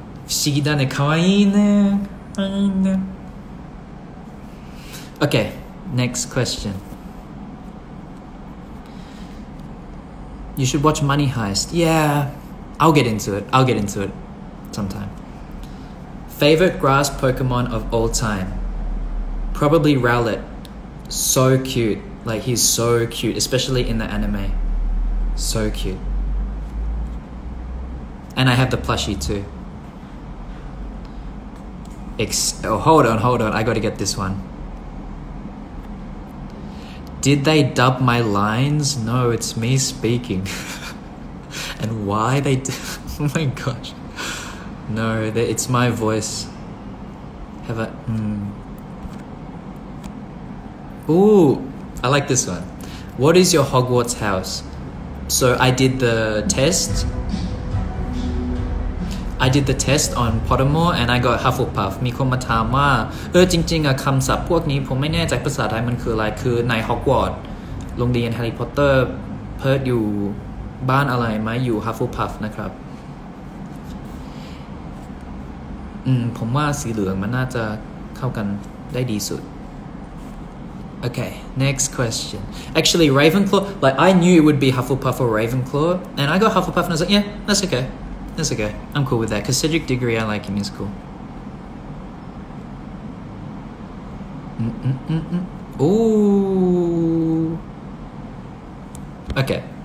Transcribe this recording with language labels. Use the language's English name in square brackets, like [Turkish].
[Japanese] 思議だね可愛いね可愛いね [English] OK next question You should watch Money Heist Yeah I'll get into it sometimeFavorite grass Pokemon of all time? Probably Rowlet. So cute. Like, he's so cute, especially in the anime. So cute. And I have the plushie too. Hold on. I gotta get this one. Did they dub my lines? No, it's me speaking. And why they did? Oh my gosh. No, it's my voice. Have a... Ooh, I like this one. What is your Hogwarts house? So I did the test on Pottermore and I got Hufflepuff. [Thai] มีคนมาถามว่าจริงๆอะคำศัพท์พวกนี้ผมไม่แน่ใจภาษาไทยมันคืออะไรคือใน Hogwarts โรงเรียน Harry Potter เพิร์ทอยู่บ้านอะไรไหมอยู่ Hufflepuff นะครับผมว่าสีเหลืองมันน่าจะเข้ากันได้ดีสุด [English] Okay, next question. Actually, Ravenclaw, like, I knew it would be Hufflepuff or Ravenclaw, and I got Hufflepuff, and I was like, yeah, that's okay. That's okay. I'm cool with that, because Cedric Diggory, I like him, he's cool. Ooh. Okay.